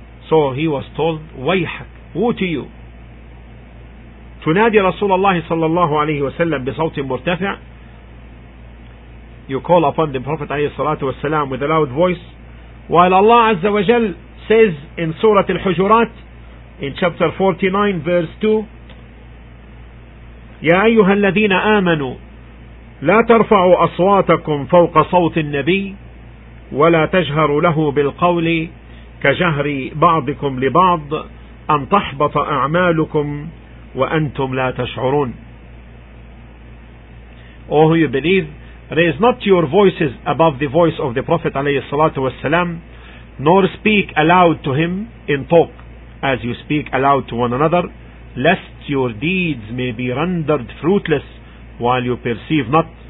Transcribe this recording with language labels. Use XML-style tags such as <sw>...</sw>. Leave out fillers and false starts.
<en>So he was told, Wayhak, woe to you.</en> <ar>تنادي رسول الله صلى الله عليه وسلم بصوت مرتفع.</ar> <en>You call upon the Prophet</en> <ar>عليه الصلاة والسلام</ar> <en>with a loud voice, while Allah عز وجل says in Surah Al-Hujurat in chapter 49 verse 2,</en> <ar>يا أيها الذين آمنوا لا ترفعوا أصواتكم فوق صوت النبي ولا تجهروا له بالقول كجهر بعضكم لبعض أن تحبط أعمالكم وأنتم لا تشعرون.</ar> <en>Oh, you believe, raise not your voices above the voice of the Prophet</en> <ar>عليه الصلاة والسلام,</ar> <en>nor speak aloud to him in talk as you speak aloud to one another, lest your deeds may be rendered fruitless while you perceive not.</en>